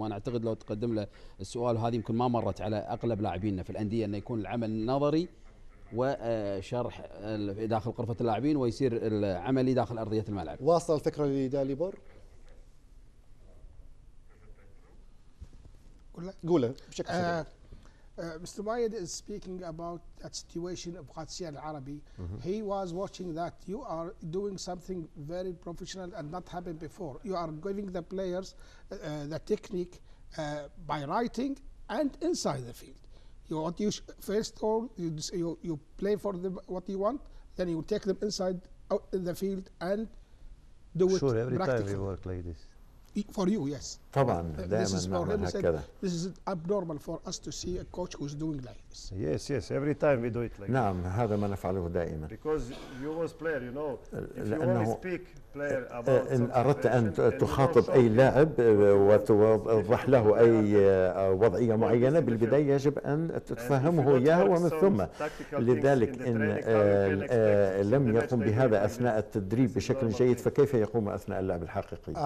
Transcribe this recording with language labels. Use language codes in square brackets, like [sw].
[ar] وأنا أعتقد لو تقدم له السؤال هذه يمكن ما مرت على أغلب لاعبيننا في الأندية، أن يكون العمل نظري وشرح داخل غرفة اللاعبين ويصير العملي داخل أرضية الملعب. واصل الفكرة لداليبور؟ قوله بشكل سريع. [en] Mr. Mayed is speaking about that situation of Qatsiya al-Arabi. Mm-hmm. He was watching that you are doing something very professional and not happened before. You are giving the players the technique by writing and inside the field. You want you first all you play for them what you want, then you take them inside out in the field and do sure, it practically. Sure, every time we work like this. For you, yes. [ar] طبعا دائما نعمل هكذا. [en] This is abnormal for us to see a coach who's doing like this. Yes, yes. Every time we do it like. [ar] نعم هذا ما نفعله دائما. [en] Because you was player, you know. If you want to speak player about. [ar] إن أردت أن تخاطب أي لاعب وتوضح له أي وضعية معينة بالبداية يجب أن تفهمه إياها ومن ثم. لذلك إن لم يقم بهذا أثناء التدريب بشكل جيد فكيف يقوم أثناء اللعب الحقيقي؟